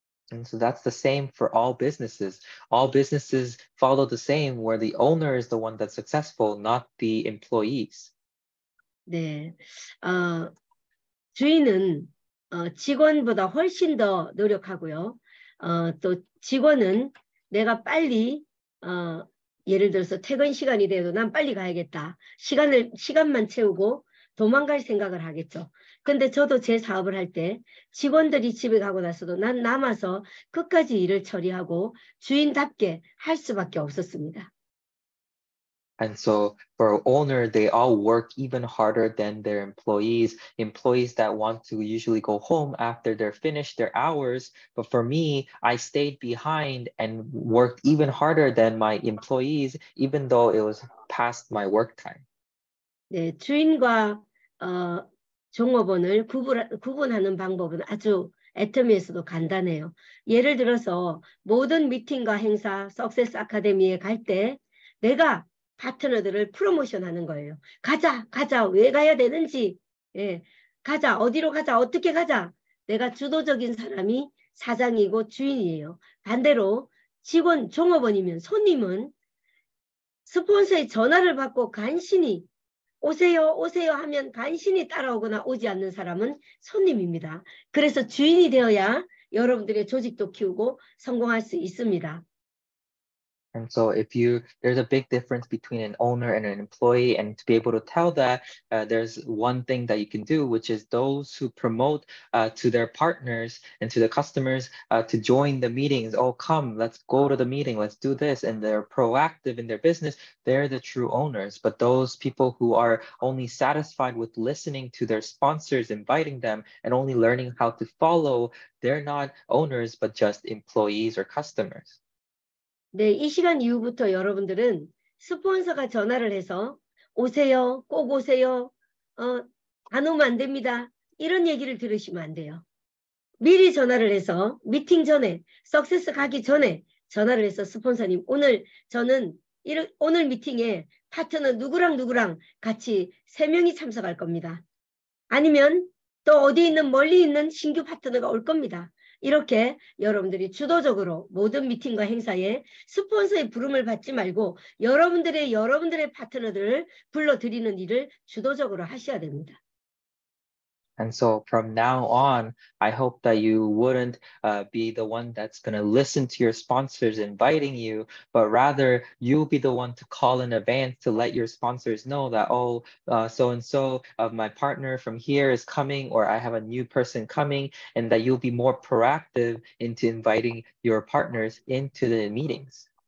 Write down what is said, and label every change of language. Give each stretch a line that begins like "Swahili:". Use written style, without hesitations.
English: And so that's the same for all businesses. All businesses follow the same where the owner is the one that's successful, not the employees.
Korean: 네. 주인은 직원보다 훨씬 더 노력하고요. 또 직원은 내가 빨리 예를 들어서 퇴근 시간이 돼도 난 빨리 가야겠다. 시간만 채우고 도망갈 생각을 하겠죠. 근데 저도 제 사업을 할 때 직원들이 집에 가고 나서도 난 남아서 끝까지 일을 처리하고 주인답게 할 수밖에 없었습니다.
English: And so for owner, they all work even harder than their employees. Employees that want to usually go home after they're finished their hours. But for me, I stayed behind and worked even harder than my employees, even though it was past my work time.
Korean: 네, 주인과 종업원을 구분하는 방법은 아주 애터미에서도 간단해요. 예를 들어서 모든 미팅과 행사, 석세스 아카데미에 갈 때 내가 파트너들을 프로모션하는 거예요. 가자, 가자, 왜 가야 되는지, 예, 가자, 어디로 가자, 어떻게 가자. 내가 주도적인 사람이 사장이고 주인이에요. 반대로 직원, 종업원이면 손님은 스폰서의 전화를 받고 간신히 오세요, 오세요 하면 간신히 따라오거나 오지 않는 사람은 손님입니다. 그래서 주인이 되어야 여러분들의 조직도 키우고 성공할 수 있습니다.
English: And so if you, there's a big difference between an owner and an employee, and to be able to tell that, there's one thing that you can do, which is those who promote to their partners and to the customers to join the meetings. Oh, come, let's go to the meeting, let's do this. And they're proactive in their business. They're the true owners. But those people who are only satisfied with listening to their sponsors, inviting them, and only learning how to follow, they're not owners, but just employees or customers.
Korean: 네, 이 시간 이후부터 여러분들은 스폰서가 전화를 해서 오세요, 꼭 오세요, 안 오면 안 됩니다. 이런 얘기를 들으시면 안 돼요. 미리 전화를 해서 미팅 전에, 석세스 가기 전에 전화를 해서 스폰서님, 오늘 저는 오늘 미팅에 파트너 누구랑 누구랑 같이 세 명이 참석할 겁니다. 아니면 또 어디 있는 멀리 있는 신규 파트너가 올 겁니다. 이렇게 여러분들이 주도적으로 모든 미팅과 행사에 스폰서의 부름을 받지 말고 여러분들의 파트너들을 불러들이는 일을 주도적으로 하셔야 됩니다.
English: And so from now on, I hope that you wouldn't be the one that's going to listen to your sponsors inviting you, but rather you'll be the one to call in advance to let your sponsors know that, oh, so-and-so of my partner from here is coming, or I have a new person coming, and that you'll be more proactive into inviting your partners into the meetings.